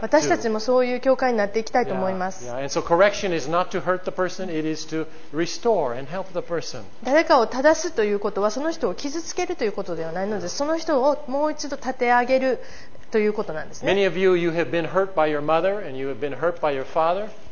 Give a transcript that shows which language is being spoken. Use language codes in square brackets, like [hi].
[ja] 私たちもそういう教会になっていきたいと思います。 [en] Yeah. Yeah. And so correction is not to hurt the person. It is to restore and help the person. [ja] 誰かを正すということはその人を傷つけるということではないので、その人をもう一度立て上げるということなんですね。 [en] Many of you, you have been hurt by your mother and you have been hurt by your father.